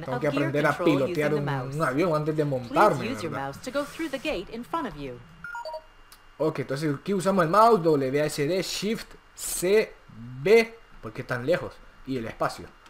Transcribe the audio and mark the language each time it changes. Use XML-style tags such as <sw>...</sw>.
<es>tengo que aprender a pilotear un avión antes de montarme.</es> <en>Please use your mouse to go through the gate in front of you.</en> <es>Ok, entonces aquí usamos el mouse, WASD, Shift, C, B, porque están lejos, y el espacio.</es>